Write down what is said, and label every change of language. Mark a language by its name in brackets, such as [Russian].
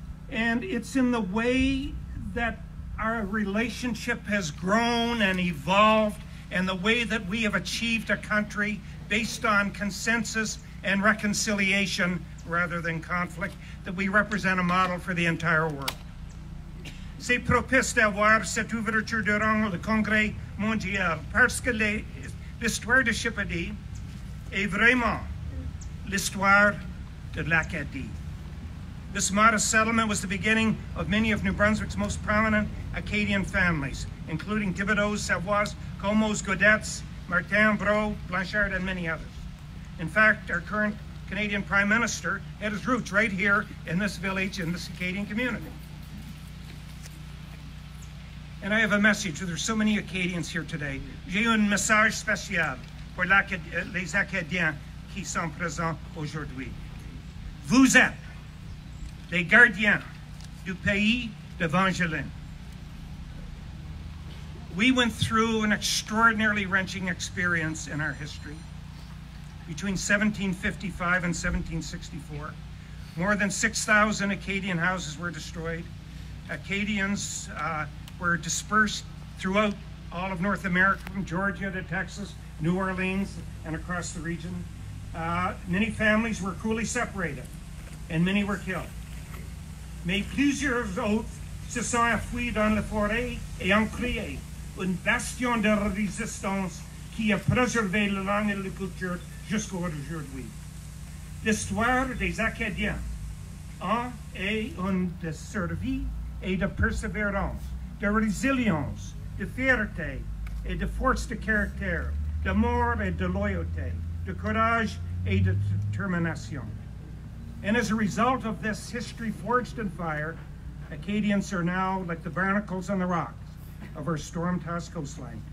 [English] And it's in the way that our relationship has grown and evolved, and the way that we have achieved a country based on consensus and reconciliation rather than conflict, that we represent a model for the entire world. [French] C'est propice d'avoir cette ouverture durant le Congrès mondial parce que l'histoire de Chipoudie est vraiment l'histoire de l'Acadie. [English] This modest settlement was the beginning of many of New Brunswick's most prominent Acadian families, including Thibodeaux, Savoies, Comeaux, Godets, Martin, Bro, Blanchard, and many others. In fact, our current Canadian Prime Minister had his roots right here in this village, in this Acadian community. And I have a message. There's so many Acadians here today. [French] J'ai un message spécial pour les Acadiens qui sont présents aujourd'hui. Vous êtes les gardiens du pays de Vangeline. [English] We went through an extraordinarily wrenching experience in our history. Between 1755 and 1764, more than 6,000 Acadian houses were destroyed. Acadians were dispersed throughout all of North America, from Georgia to Texas, New Orleans and across the region. Many families were cruelly separated and many were killed. [French] Mais plusieurs autres se sont enfuis dans la forêt et ont créé une bastion de résistance qui a préservé la langue et la culture jusqu'à aujourd'hui. L'histoire des Acadiens en est une de survie et de persévérance, de résilience, de fierté et de force de caractère, d'amour et de loyauté, de courage et de détermination. [English] And as a result of this history forged in fire, Acadians are now like the barnacles on the rocks of our storm-tossed coastline.